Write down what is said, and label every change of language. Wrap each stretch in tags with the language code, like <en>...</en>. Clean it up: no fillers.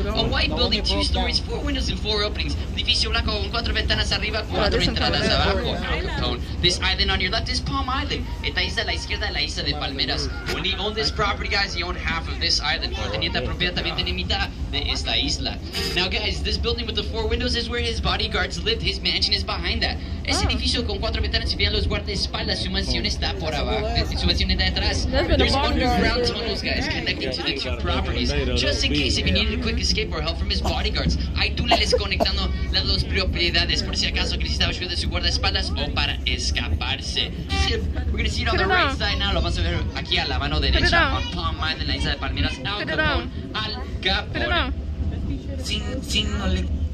<en>A white building, two stories, four windows and four openings.</en> <es>Un edificio blanco con cuatro ventanas arriba, cuatro entradas abajo. Al Capone.</es> <en>This island on your left is Palm Island.</en> <es>Esta isla a la izquierda, la isla de Palmeras.</es> <en>When he owned this property, guys, he owned half of this island.</en> <es>Tenía esta propiedad también, tenía mitad de esta isla.</es> <en>Now, guys, this building with the four windows is where his bodyguards lived. His mansion is behind that.</en> <es>Ese edificio con cuatro ventanas, si vean los guardaespaldas, su mansión está por abajo. Su mansión está detrás.</es> <en>There's underground tunnels, guys, connecting to the two properties. Just in case if he needed a quick escape or help from his bodyguards.</en> <es>Hay túneles conectando las dos propiedades por si acaso que necesitaba ayuda de su guardaespaldas o para escaparse.</es> <en>We're going to see it on the right side now.</en> <es>Lo vamos a ver aquí a la mano derecha.</es> <en>On Palm Island,</en> <es>en la isla de Palmeras. Al Capone. Al Capone.</es>